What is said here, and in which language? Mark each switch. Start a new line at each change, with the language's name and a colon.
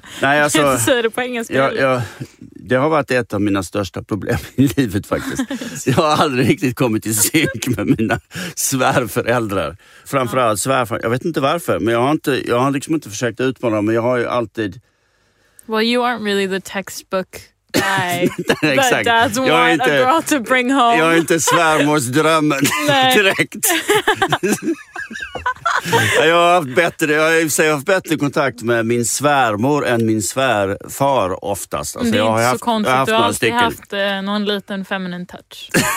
Swedish: Nej, alltså, jag säger det på engelska. Det har varit ett av mina största problem i livet faktiskt. Jag har aldrig riktigt kommit i synk med mina svärföräldrar. Framförallt svärföräldrar. Jag vet inte varför, men jag har liksom inte försökt utmana dem. Men jag har ju alltid...
English: Well, you aren't really the textbook guy that dad's want
Swedish: inte,
English: a girl to bring home.
Swedish: Jag är inte svärmorsdrömmen direkt. Jag har haft bättre kontakt med min svärmor än min svärfar oftast. Alltså, det är inte så konstigt, du har alltid haft någon liten
English: feminine touch.